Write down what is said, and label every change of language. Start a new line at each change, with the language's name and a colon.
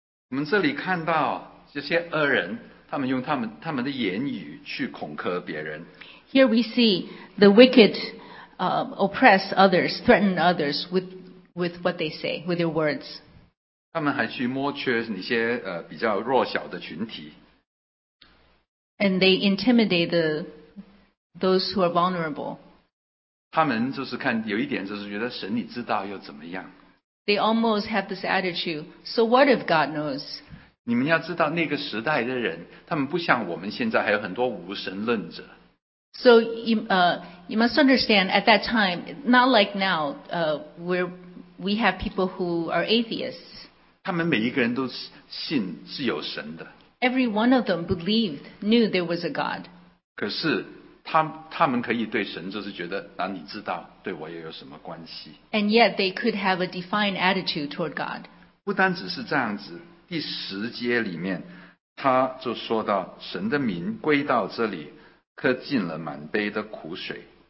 Chinese: 我们这里看到这些恶人，他们用他们的言语去恐吓别人。
English: Here we see the wicked, oppress others, threaten others with what they say, with their words.
Chinese: 他们还去摸缺那些比较弱小的群体。
English: And they intimidate those who are vulnerable.
Chinese: 他们就是看有一点就是觉得神你知道又怎么样。
English: They almost have this attitude. So what if God knows?
Chinese: 你们要知道那个时代的人，他们不像我们现在还有很多无神论者。
English: So you must understand at that time, not like now, where we have people who are atheists.
Chinese: 他们每一个人都信是有神的。
English: Every one of them believed, knew there was a God.
Chinese: 可是他们可以对神就是觉得，那你知道对我又有什么关系？
English: And yet they could have a defiant attitude toward God.
Chinese: 不单只是这样子，第十节里面他就说到，神的名归到这里，喝尽了满杯的苦水。